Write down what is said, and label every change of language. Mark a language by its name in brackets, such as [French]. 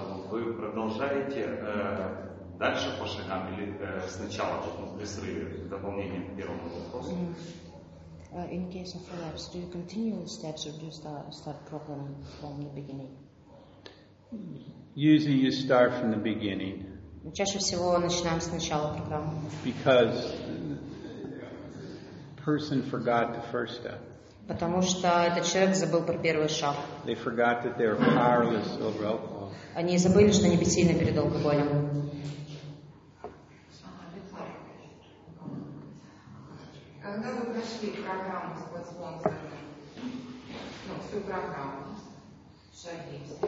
[Russian] Вы продолжаете дальше по шагам или сначала при срыве, дополнение к первому вопросу? [English] In case of relapse, do you continue steps or do you start program from the beginning? Usually you start from the beginning. [Russian] Чаще всего начинаем сначала программу. [English] Because person forgot the first step. [Russian] Потому что этот человек забыл про первый шаг. [English] They forgot that they were powerless over alcohol. [Russian] Они забыли, что они бессильны перед алкоголем. Когда вы прошли программу с подспонсором, всю программу, шаги,